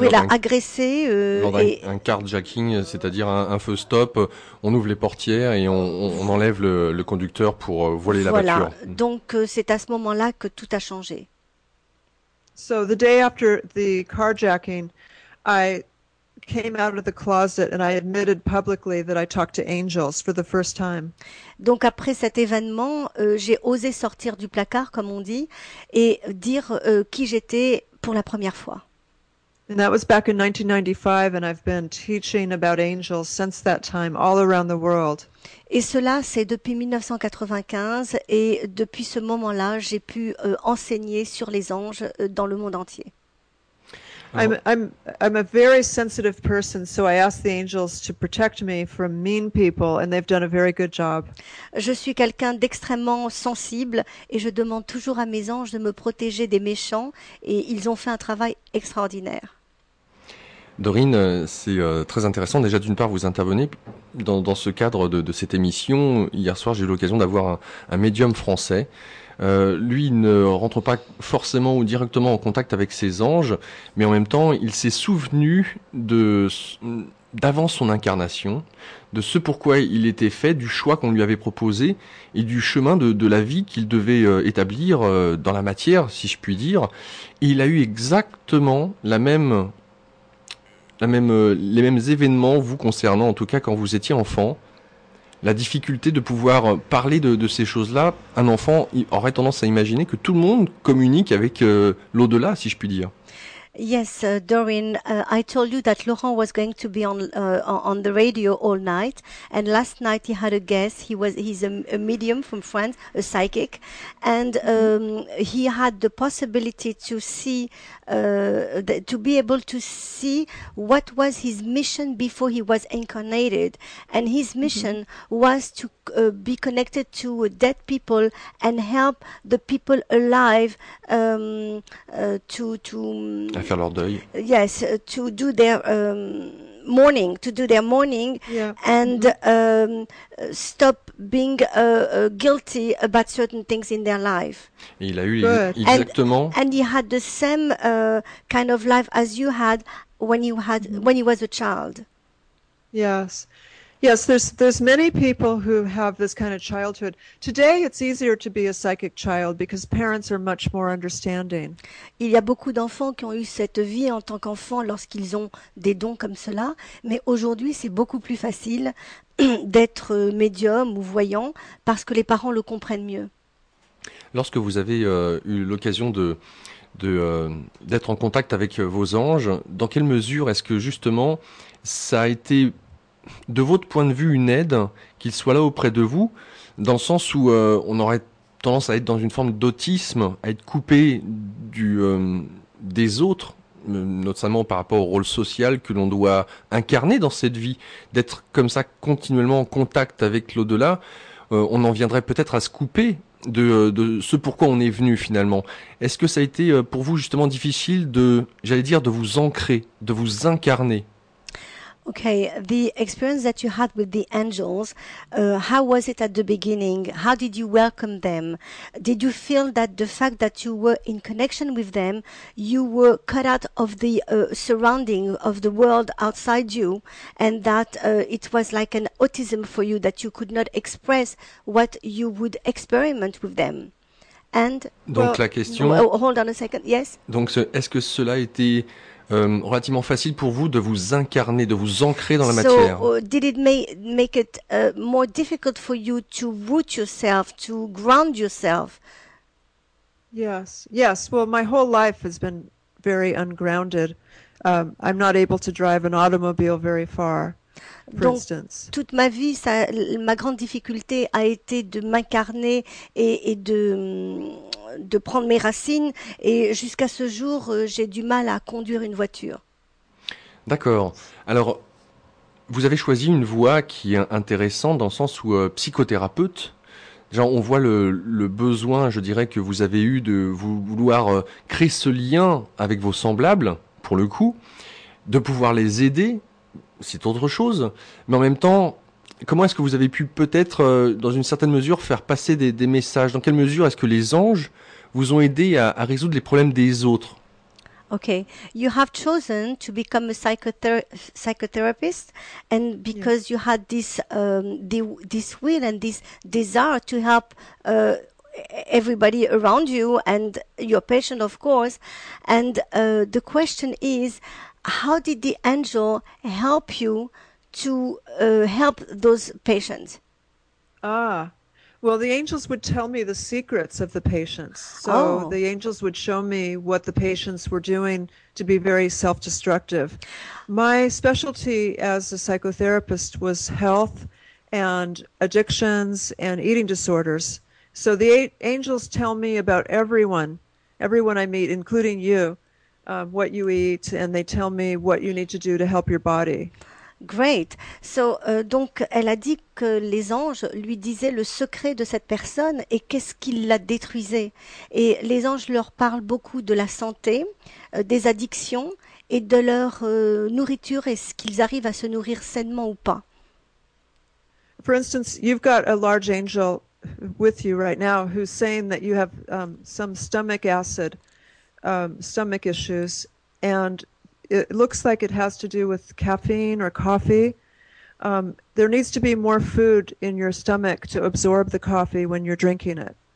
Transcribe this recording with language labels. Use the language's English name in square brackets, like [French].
[French] agressée lors d'un carjacking, c'est-à-dire un feu stop. On ouvre les portières et on enlève le conducteur pour voler la voiture. Voilà. Donc c'est à ce moment-là que tout a changé. [English] So the day after the carjacking, I came out of the closet and I admitted publicly that I talked to angels for the first time. [French] Donc après cet événement, j'ai osé sortir du placard, comme on dit, et dire qui j'étais pour la première fois. [English] And that was back in 1995, and I've been teaching about angels since that time all around the world. [French] Et cela, c'est depuis 1995, et depuis ce moment-là, j'ai pu enseigner sur les anges dans le monde entier. [English] I'm a very sensitive person, so I ask the angels to protect me from mean people, and they've done a very good job. [French] Je suis quelqu'un d'extrêmement sensible, et je demande toujours à mes anges de me protéger des méchants, et ils ont fait un travail extraordinaire. Dorine, c'est très intéressant. Déjà, d'une part, vous intervenez dans ce cadre de cette émission. Hier soir, j'ai eu l'occasion d'avoir un médium français. Lui, il ne rentre pas forcément ou directement en contact avec ses anges, mais en même temps, il s'est souvenu d'avant son incarnation, de ce pourquoi il était fait, du choix qu'on lui avait proposé et du chemin de la vie qu'il devait établir dans la matière, si je puis dire. Et il a eu exactement les mêmes événements vous concernant, en tout cas quand vous étiez enfant. La difficulté de pouvoir parler de ces choses-là, un enfant aurait tendance à imaginer que tout le monde communique avec l'au-delà, si je puis dire. [English] Yes, Dorine, I told you that Laurent was going to be on the radio all night, and last night he had a guest. He's a medium from France, a psychic, and he had the possibility to see to be able to see what was his mission before he was incarnated, and his mission was to be connected to dead people and help the people alive [French] à faire leur deuil. [English] Yes, to do their mourning, to do their mourning, yeah. And stop being guilty about certain things in their life. [French] Et il a eu exactement. [English] And he had the same kind of life as you had when he was a child. Yes. Yes, there's many people who have this kind of childhood. Today, it's easier to be a psychic child because parents are much more understanding. [French] Il y a beaucoup d'enfants qui ont eu cette vie en tant qu'enfant lorsqu'ils ont des dons comme cela, mais aujourd'hui, c'est beaucoup plus facile d'être médium ou voyant parce que les parents le comprennent mieux. Lorsque vous avez eu l'occasion d'être en contact avec vos anges, dans quelle mesure est-ce que justement ça a été de votre point de vue une aide qu'ils soient là auprès de vous, dans le sens où on aurait tendance à être dans une forme d'autisme, à être coupé des autres, notamment par rapport au rôle social que l'on doit incarner dans cette vie, d'être comme ça continuellement en contact avec l'au-delà, on en viendrait peut-être à se couper de ce pourquoi on est venu finalement. Est-ce que ça a été pour vous justement difficile de vous ancrer, de vous incarner? [English] Okay, the experience that you had with the angels, how was it at the beginning? How did you welcome them? Did you feel that the fact that you were in connection with them, you were cut out of the surrounding of the world outside you, and that it was like an autism for you, that you could not express what you would experiment with them? And [French] donc la question, [English] hold on a second, yes? [French] Donc est-ce que cela a été relativement facile pour vous de vous incarner, de vous ancrer dans la matière? [English] So, did it make it more difficult for you to root yourself, to ground yourself? Yes, yes. Well, my whole life has been very ungrounded. I'm not able to drive an automobile very far. [French] Donc, [English] for instance. [French] Toute ma vie, ça, ma grande difficulté a été de m'incarner et de prendre mes racines. Et jusqu'à ce jour, j'ai du mal à conduire une voiture. D'accord. Alors, vous avez choisi une voie qui est intéressante dans le sens où psychothérapeute. Déjà, on voit le besoin, je dirais, que vous avez eu de vouloir créer ce lien avec vos semblables, pour le coup, de pouvoir les aider. C'est autre chose. Mais en même temps, comment est-ce que vous avez pu peut-être, dans une certaine mesure, faire passer des messages? Dans quelle mesure est-ce que les anges vous ont aidé à résoudre les problèmes des autres? [English] Okay. You have chosen to become a psychotherapist, and because you had this this will and this desire to help everybody around you and your patient, of course. And the question is, how did the angel help you to help those patients? Ah, well, the angels would tell me the secrets of the patients. So the angels would show me what the patients were doing to be very self-destructive. My specialty as a psychotherapist was health and addictions and eating disorders. So the angels tell me about everyone I meet, including you, what you eat, and they tell me what you need to do to help your body. Great. [French] So, donc, elle a dit que les anges lui disaient le secret de cette personne et qu'est-ce qui la détruisait. Et les anges leur parlent beaucoup de la santé, des addictions et de leur nourriture et ce qu'ils arrivent à se nourrir sainement ou pas. [English] For instance, you've got a large angel with you right now who's saying that you have some stomach acid. Stomach issues, and it looks like it has to do with caffeine or coffee. There needs to be more food in your stomach to absorb the coffee when you're drinking it.